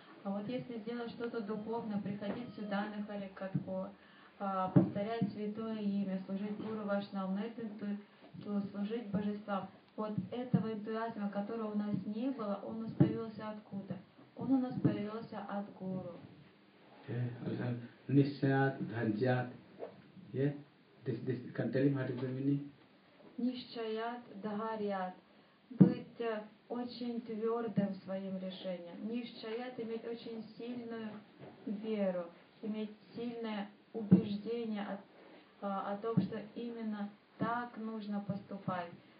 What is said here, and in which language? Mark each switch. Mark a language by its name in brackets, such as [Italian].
[Russian] А вот если сделать что-то духовное, приходить сюда на Халикатху, повторять святое имя, служить Гуру Вашнаву, на это служить божествам, вот этого энтузиазма, которого у нас не было, он у нас появился откуда? Он у нас появился от Гуру. [Sanskrit] Nishyat, dhanjyat. Yeah? [English] This can tell him what is the meaning? [Sanskrit] Nishyat, dhanjyat. [Russian] Быть очень твердым в своем решении. Nishyat, иметь очень сильную веру, иметь сильное убеждение о том, что именно так нужно поступать.